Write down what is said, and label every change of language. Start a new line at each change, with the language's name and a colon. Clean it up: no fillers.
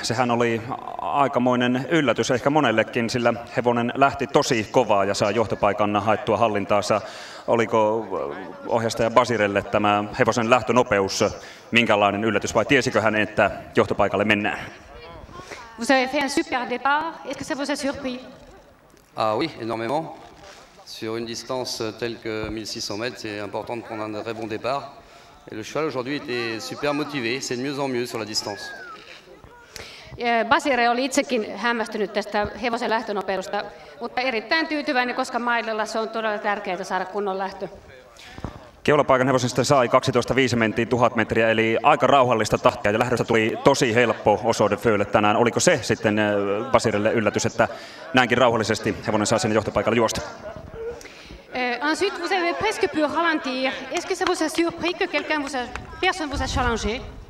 Finnish: Sehän oli aikamoinen yllätys ehkä monellekin, sillä hevonen lähti tosi kovaa ja saa johtopaikan haettua hallintaansa. oliko ohjastaja Basirelle tämä hevosen lähtönopeus minkälainen yllätys vai tiesikö hän, että johtopaikalle mennään?
French: Vous avez fait un super départ. Est-ce que ça vous a surpris? Ah oui, énormément. Sur une distance telle que 1600 mètres, c'est important de prendre un très bon départ. Et le cheval aujourd'hui était super motivé. C'est de mieux en mieux sur la distance.
Finnish: Basire oli itsekin hämmästynyt tästä hevosen lähtönopeudesta, mutta erittäin tyytyväinen, koska mailella se on todella tärkeää saada kunnon lähtö. Keulapaikan hevosen sitten sai 12.5 mentiin 1000 metriä, eli aika rauhallista tahtia, ja lähdöstä tuli tosi helppo osoite Föölle tänään. Oliko se sitten Basirelle yllätys, että näinkin rauhallisesti hevonen saa sinne johtopaikalle juosta?
French: Ensuite, vous avez presque pu ralentir. Est-ce que ça vous a surpris que personne vous a challengé?